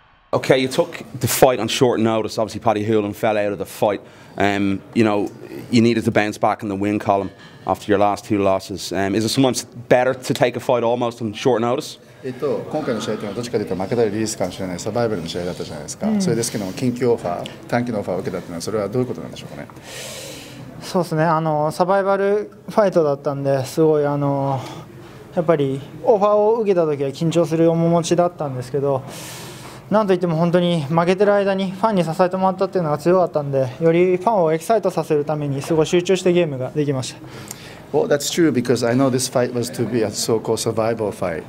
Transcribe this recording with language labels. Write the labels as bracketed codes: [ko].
[en] Okay, you took the fight on short notice. Obviously, Paddy Hoolan fell out of the fight. You know, you needed to bounce back in the win column after your last two losses. Is it sometimes better to take a fight almost on short notice? [ja] 今回の試合というのはどっちかというと負けたらリリースかもしれないサバイバルの試合だったじゃないですか、うん、それですけども緊急オファー短期のオファーを受けたというのはそれはどういうことなんでしょうかね。そうですね、サバイバルファイトだったんですごいやっぱりオファーを受けた時は緊張する面持ちだったんですけど、なんといっても本当に負けてる間にファンに支えてもらったっていうのが強かったんで、よりファンをエキサイトさせるためにすごい集中してゲームができました。 [en] Well, that's true because I know this fight was to be a so-called survival fight.